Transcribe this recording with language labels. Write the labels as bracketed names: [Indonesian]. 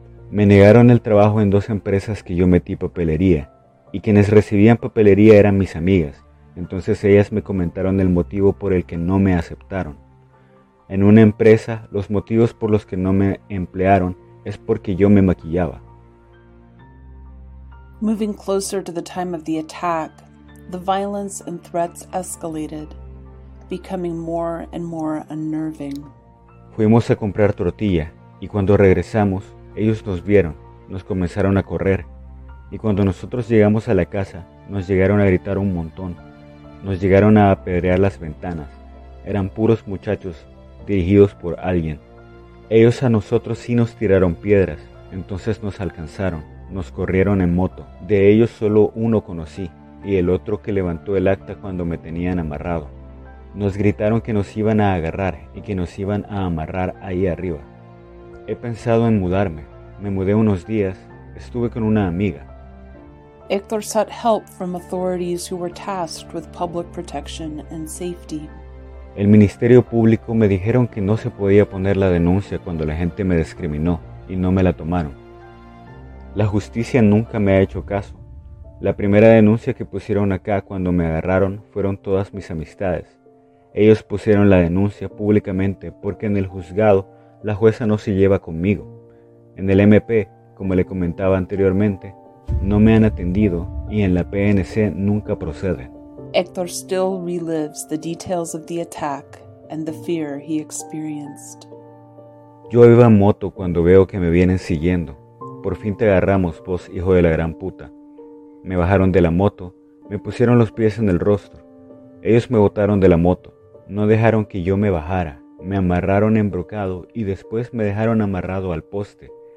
[Spanish] Me negaron el trabajo en dos empresas que yo metí papelería, y quienes recibían papelería eran mis amigas, entonces ellas me comentaron el motivo por el que no me aceptaron. En una empresa, los motivos por los que no me emplearon es porque yo me maquillaba. [English] Moving closer to the time of the attack, the violence and threats escalated, becoming more and more unnerving. [Spanish] Fuimos a comprar tortilla, y cuando regresamos, ellos nos vieron, nos comenzaron a correr, y cuando nosotros llegamos a la casa, nos llegaron a gritar un montón, nos llegaron a apedrear las ventanas, eran puros muchachos, dirigidos por alguien. Ellos a nosotros sí nos tiraron piedras, entonces nos alcanzaron, nos corrieron en moto, de ellos solo uno conocí, y el otro que levantó el acta cuando me tenían amarrado. Nos gritaron que nos iban a agarrar y que nos iban a amarrar ahí arriba. He pensado en mudarme. Me mudé unos días. Estuve con una amiga. [English] Héctor sought help from authorities who were tasked with public protection and safety. [Spanish] El Ministerio Público me dijeron que no se podía poner la denuncia cuando la gente me discriminó y no me la tomaron. La justicia nunca me ha hecho caso. La primera denuncia que pusieron acá cuando me agarraron fueron todas mis amistades. Ellos pusieron la denuncia públicamente porque en el juzgado la jueza no se lleva conmigo. En el MP, como le comentaba anteriormente, no me han atendido y en la PNC nunca proceden. [English] Héctor still relives the details of the attack and the fear he experienced. [Spanish] Yo iba en moto cuando veo que me vienen siguiendo. Por fin te agarramos, vos hijo de la gran puta. Me bajaron de la moto, me pusieron los pies en el rostro. Ellos me botaron de la moto, no dejaron que yo me bajara. Me amarraron embrocado y después me dejaron amarrado al poste.